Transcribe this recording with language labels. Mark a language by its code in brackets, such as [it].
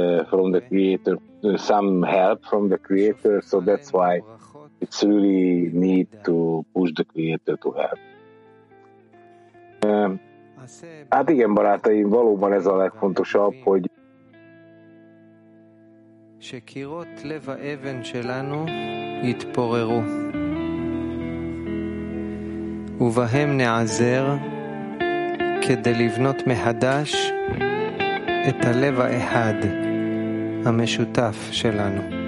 [en] From the Creator, some help from the Creator, so that's why it's really need to push the Creator to help. [hu] Hát igen, barátaim, valóban ez a legfontosabb, hogy [he] שקירות לב האבן שלנו יתפוררו ובהם נעזר כדי לבנות מחדש את הלב האחד המשותף שלנו.